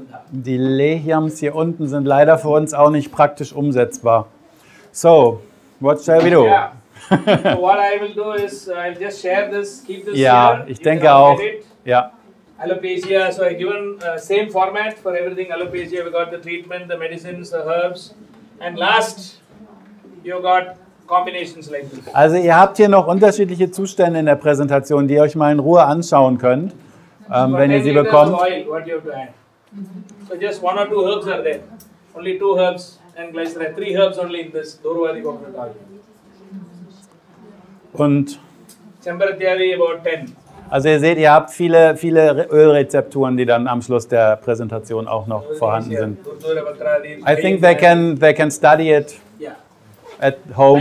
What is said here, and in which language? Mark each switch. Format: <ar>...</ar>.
<de>Die Lehyams hier unten sind leider für uns auch nicht praktisch umsetzbar.</de> <en>So, what shall we do? Yeah. What I will do is, I'll just share this, keep this yeah, here.</en> <de>Ich denke auch. Ja.</de> <en>Alopecia, so I've given same format for everything alopecia. We got the treatment, the medicines, the herbs. And last, you got combinations like this.</en> <de>Also ihr habt hier noch unterschiedliche Zustände in der Präsentation, die ihr euch mal in Ruhe anschauen könnt. Wenn ihr sie bekommt.</de> <en>So just one or two herbs are there. Only two herbs and glycerin. Three herbs only in this. Dorwadi coconut oil.</en> <de>Und?</de> <en>Chambarathyavi about 10.</en> <de>Also ihr seht, ihr habt viele, viele Ölrezepturen, die dann am Schluss der Präsentation auch noch vorhanden sind.</de> <en>I think they can study it at home.</en>